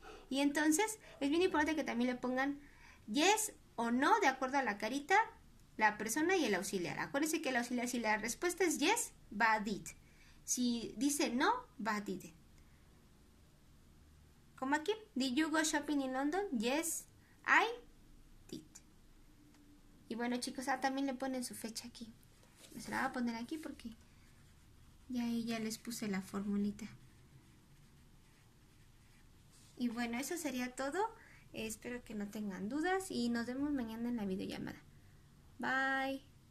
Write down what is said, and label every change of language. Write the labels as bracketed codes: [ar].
[es] Y entonces, es bien importante que también le pongan yes o no, de acuerdo a la carita, la persona y el auxiliar. Acuérdense que el auxiliar, si la respuesta es yes, va did. Si dice no, va did. Como aquí, [en] did you go shopping in London? Yes, I did. [es] Y bueno chicos, también le ponen su fecha aquí. Se la voy a poner aquí porque ya ahí ya les puse la formulita. Y bueno, eso sería todo. Espero que no tengan dudas y nos vemos mañana en la videollamada. Bye.